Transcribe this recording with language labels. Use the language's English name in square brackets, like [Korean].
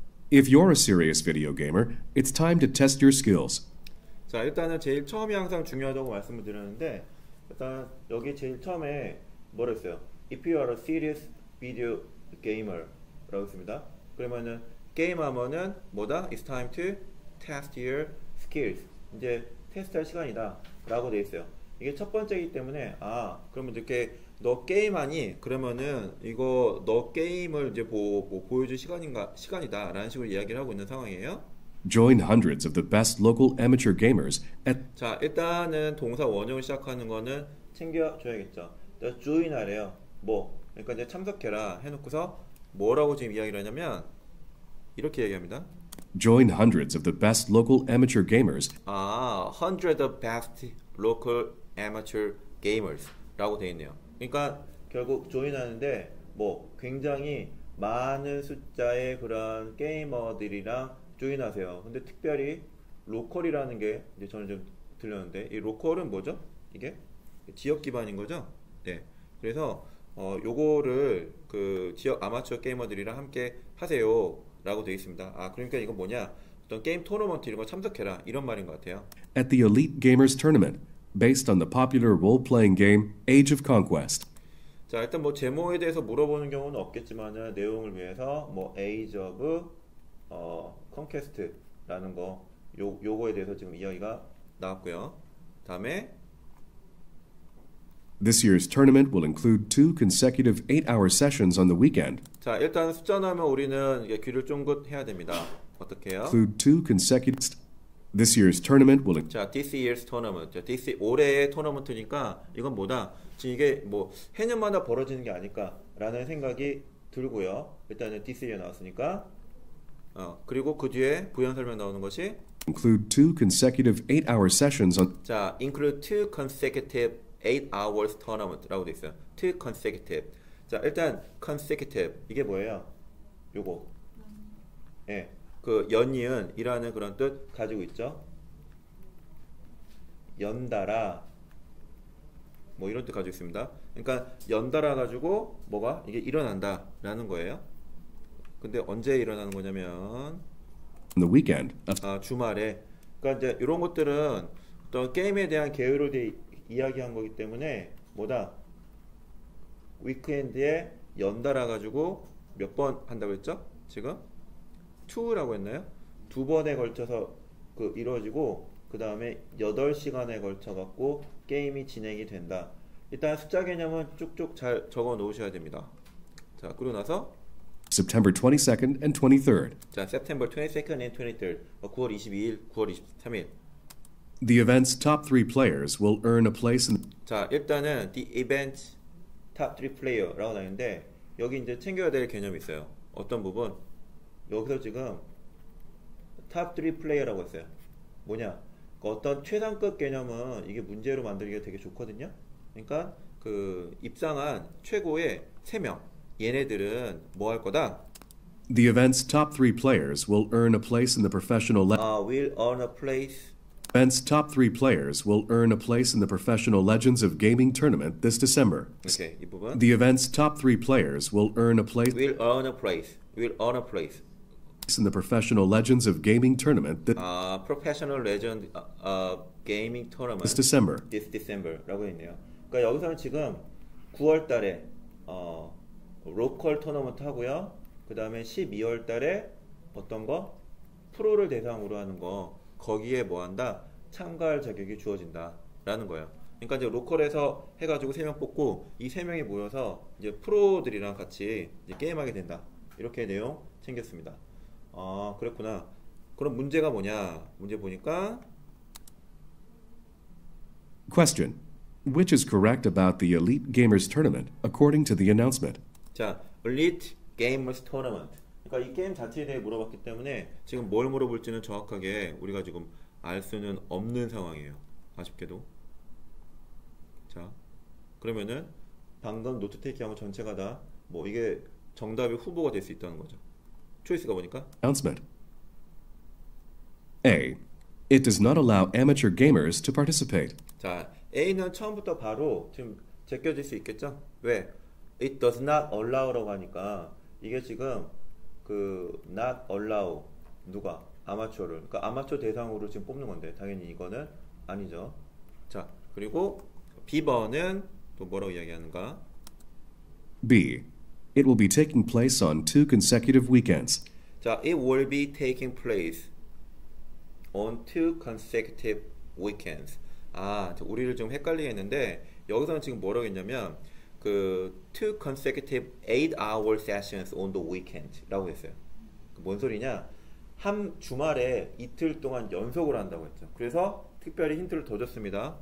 [English] If you're a serious video gamer, it's time to test your skills. [Korean] 자, 일단은 제일 처음에 항상 중요하다고 말씀을 드렸는데 일단 여기 제일 처음에 뭐라 했어요? [English] If you are a serious video gamer [Korean] 라고 했습니다. 그러면은 게임하면은 뭐다? [English] It's time to test your skills. [Korean] 이제 테스트할 시간이다 라고 되어 있어요. 이게 첫 번째이기 때문에 아 그러면 이렇게 너 게임하니? 그러면은 이거 너 게임을 이제 뭐 보여줄 시간인가 시간이다 라는 식으로 이야기를 하고 있는 상황이에요. [English] Join hundreds of the best local amateur gamers at [Korean] 자 일단은 동사 원형을 시작하는 거는 챙겨줘야겠죠. 너 join 하래요. 뭐 그러니까 이제 참석해라 해놓고서 뭐라고 지금 이야기를 하냐면 이렇게 얘기합니다. [English] Join hundreds of the best local amateur gamers. 아, hundreds of best local amateur gamers [Korean] 라고 되어 있네요. 그러니까 결국 join 하는데 뭐 굉장히 많은 숫자의 그런 게이머들이랑 join 하세요. 근데 특별히 로컬이라는 게 이제 저는 좀 들렸는데 이 로컬은 뭐죠? 이게 지역 기반인 거죠? 네. 그래서 요거를 그 지역 아마추어 게이머들이랑 함께 하세요. 라고 되어 있습니다. 아, 그러니까 이건 뭐냐? 어떤 게임 토너먼트 이런 거 참석해라. 이런 말인 것 같아요. [English] At the Elite Gamers Tournament, based on the popular role-playing game Age of Conquest. [Korean] 자, 일단 뭐 제목에 대해서 물어보는 경우는 없겠지만은 내용을 위해서 뭐 Age of Conquest라는 거 요거에 대해서 지금 이야기가 나왔고요. 다음에 [English] This year's tournament will include two consecutive 8-hour sessions on the weekend. [Korean] 자, 일단 숫자나면 우리는 이게 귀를 쫑긋 해야 됩니다. 어떻게요? [English] Include two consecutive This year's tournament will 자, this year's tournament. [Korean] 자, this 올해의 토너먼트니까 이건 뭐다? 지금 이게 뭐 해년마다 벌어지는 게 아닐까라는 생각이 들고요. 일단은 this year 나왔으니까 그리고 그 뒤에 부연 설명 나오는 것이 [English] include two consecutive 8-hour sessions on 자, include two consecutive 8 hours tournament [Korean] 라고 되어 있어요. [English] two consecutive. [Korean] 자, 일단 consecutive 이게 뭐예요? 요거. 예. 네, 그 연이은이라는 그런 뜻 가지고 있죠. 연달아 뭐 이런 뜻 가지고 있습니다. 그러니까 연달아 가지고 뭐가 이게 일어난다라는 거예요. 근데 언제 일어나는 거냐면 [English] on the weekend. [Korean] 아, 주말에. 그러니까 이제 이런 것들은 어떤 게임에 대한 계획을 이야기한 거기 때문에 뭐다? 위크엔드에 연달아 가지고 몇 번 한다고 했죠? 지금? 2라고 했나요? 두 번에 걸쳐서 그 이루어지고 그 다음에 8시간에 걸쳐 갖고 게임이 진행이 된다. 일단 숫자 개념은 쭉쭉 잘 적어 놓으셔야 됩니다. 자, 그리고 나서 [English] September 22nd and 23rd 자, September 22nd and 23rd [Korean] 9월 22일, 9월 23일 [English] The event's top three players will earn a place in [Korean] 자, 일단은 [English] the event's top three player [Korean] 라고 나오는데 여기 이제 챙겨야 될 개념이 있어요. 어떤 부분? 여기서 지금 [English] top three player [Korean] 라고 했어요. 뭐냐? 그 어떤 최상급 개념은 이게 문제로 만들기가 되게 좋거든요. 그러니까 그 입상한 최고의 세 명 얘네들은 뭐 할 거다? [English] The event's top three players will earn a place in the professional will earn a place Events top three players will earn a place in the Professional Legends of Gaming tournament this December. [Korean] Okay, 이 부분. [English] The event's top three players will earn a place. Will earn a place. Will earn a place. In the Professional Legends of Gaming tournament. Professional Legend Gaming tournament. This December. This December [Korean] 라고 했네요. 그러니까 여기서는 지금 9월달에 로컬 토너먼트 하고요. 그 다음에 12월달에 어떤 거 프로를 대상으로 하는 거. 거기에 뭐 한다? 참가할 자격이 주어진다 라는 거예요. 그러니까 이제 로컬에서 해가지고 3명 뽑고 이 3명이 모여서 이제 프로들이랑 같이 이제 게임하게 된다 이렇게 내용 챙겼습니다. 아 그렇구나. 그럼 문제가 뭐냐? 문제 보니까 [English] Question Which is correct about the Elite Gamers Tournament according to the announcement? [Korean] 자, Elite Gamers Tournament 그러니까 이 게임 자체에 대해 물어봤기 때문에 지금 뭘 물어볼지는 정확하게 우리가 지금 알 수는 없는 상황이에요. 아쉽게도. 자, 그러면은 방금 노트 테이킹 한 전체가 다 뭐 이게 정답의 후보가 될 수 있다는 거죠. 초이스가 보니까 [English] Announcement A. It does not allow amateur gamers to participate. [Korean] 자, A는 처음부터 바로 지금 제껴질 수 있겠죠? 왜? [English] It does not allow [Korean] 라고 하니까 이게 지금 그 not allow 누가 아마추어를 그러니까 아마추어 대상으로 지금 뽑는 건데 당연히 이거는 아니죠. 자 그리고 B번은 또 뭐라고 이야기하는가? [English] B. It will be taking place on two consecutive weekends. 자, it will be taking place on two consecutive weekends. [Korean] 아, 우리를 좀 헷갈리게 했는데 여기서는 지금 뭐라고 했냐면 그 [English] two consecutive 8-hour sessions on the weekend [Korean] 라고 했어요. 뭔 소리냐? 한 주말에 이틀 동안 연속을 한다고 했죠. 그래서 특별히 힌트를 더 줬습니다.